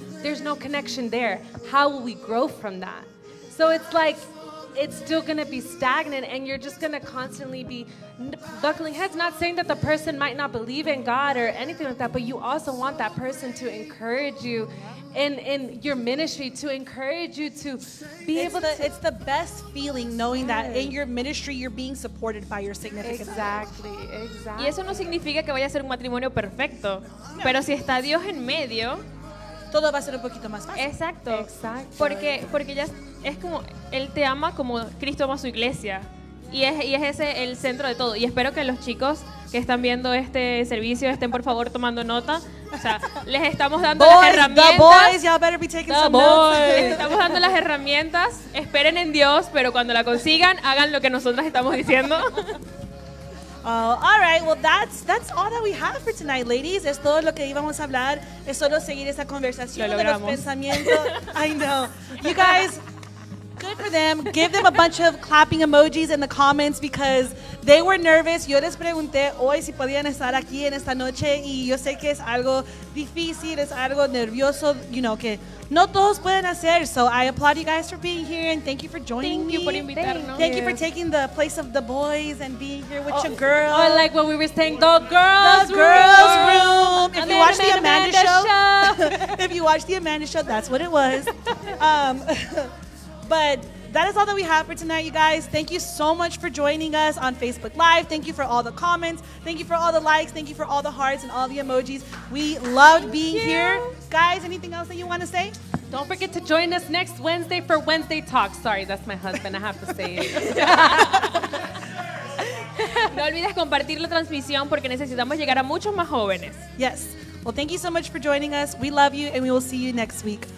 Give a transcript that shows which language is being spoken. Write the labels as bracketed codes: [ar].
[en] There's no connection there. How will we grow from that? So it's like, it's still going to be stagnant, and you're just going to constantly be buckling heads, not saying that the person might not believe in God or anything like that, but you also want that person to encourage you in your ministry, to encourage you to be it's the best feeling knowing that in your ministry you're being supported by your significant other. Exactly, exactly. [es] Y eso no significa que vaya a ser un matrimonio perfecto, pero si está Dios en medio, todo va a ser un poquito más fácil. Exacto. Exacto. Porque ya es como, él te ama como Cristo ama a su iglesia. Y es ese el centro de todo. Y espero que los chicos que están viendo este servicio estén, por favor, tomando nota. O sea, les estamos dando [en] boys, [es] las herramientas. [en] The boys, y'all better be taking the some boys. Notes. [es] Les estamos dando las herramientas. Esperen en Dios, pero cuando la consigan, hagan lo que nosotras estamos diciendo. [en] All right, well, that's all that we have for tonight, ladies. [es] Es todo lo que íbamos a hablar. Es solo seguir esa conversación lo de los pensamientos. [en] I know. You guys, good for them. Give them a bunch of clapping emojis in the comments, because they were nervous. [es] Yo les pregunté hoy si podían estar aquí en esta noche, y yo sé que es algo difícil, es algo nervioso, [en] you know, [es] que no todos pueden hacer. [en] So I applaud you guys for being here, and thank you for joining me. Thank you for invitarnos. Thank you for taking the place of the boys and being here with your girls. Or like what we were saying, the girls' room. If you watch the Amanda show. If you watch the Amanda show, that's what it was. But that is all that we have for tonight, you guys. Thank you so much for joining us on Facebook Live. Thank you for all the comments. Thank you for all the likes. Thank you for all the hearts and all the emojis. We loved being here. Guys, anything else that you want to say? Don't forget to join us next Wednesday for Wednesday Talk. Sorry, that's my husband. I have to say it. [es] No olvides compartir la transmisión porque necesitamos llegar a muchos más jóvenes. [en] Yes. Well, thank you so much for joining us. We love you, and we will see you next week.